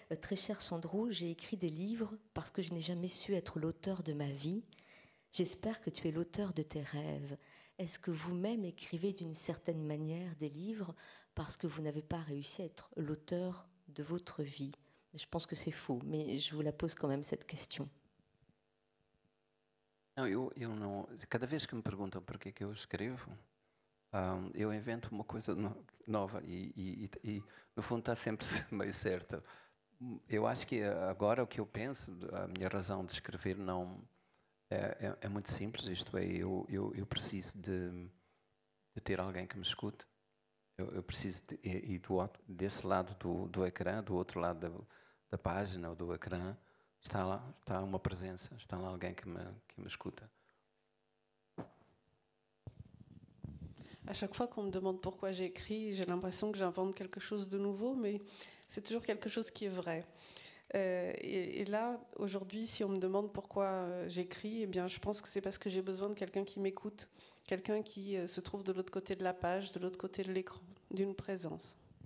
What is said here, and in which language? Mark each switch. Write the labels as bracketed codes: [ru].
[fr] Très cher Sandro, j'ai écrit des livres parce que je n'ai jamais su être l'auteur de ma vie. J'espère que tu es l'auteur de tes rêves. Est-ce que vous-même écrivez d'une certaine manière des livres parce que vous n'avez pas réussi à être l'auteur de votre vie ? Je pense que c'est faux, mais je vous la pose quand même cette question. [pt] Non, eu não, cada vez que me perguntam por que eu escrevo, eu invento uma coisa nova e no fundo está sempre meio certo. Eu acho que agora o que eu penso, a minha razão de escrever não é muito simples, isto é, eu preciso de ter alguém que me escute, eu preciso desse lado do ecrã, do outro lado da página ou do ecrã, está uma presença, está lá alguém que me escuta. [fr] À chaque fois qu'on me demande pourquoi j'écris, j'ai l'impression que j'invente quelque chose de nouveau, mais c'est toujours quelque chose qui est vrai. Et là, aujourd'hui, si on me demande pourquoi j'écris, eh bien, je pense que c'est parce que j'ai besoin de quelqu'un qui m'écoute, quelqu'un qui se trouve de l'autre côté de la page, de l'autre côté de l'écran, d'une présence.